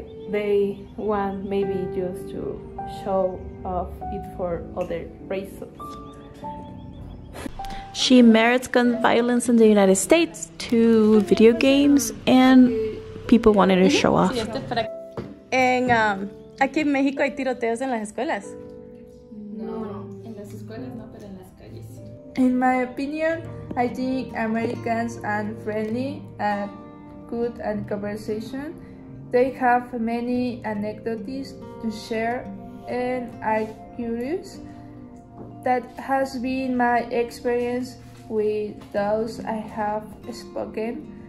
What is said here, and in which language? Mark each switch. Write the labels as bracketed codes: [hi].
[en] They want maybe just to show off it for other reasons. She merits gun violence in the United States to video games and people wanting to show off. [es] En aquí en México hay tiroteos en las escuelas. No, en las escuelas no, pero en las calles. [en] In my opinion, I think Americans are friendly and good at conversation. They have many anecdotes to share and are curious. That has been my experience with those I have spoken.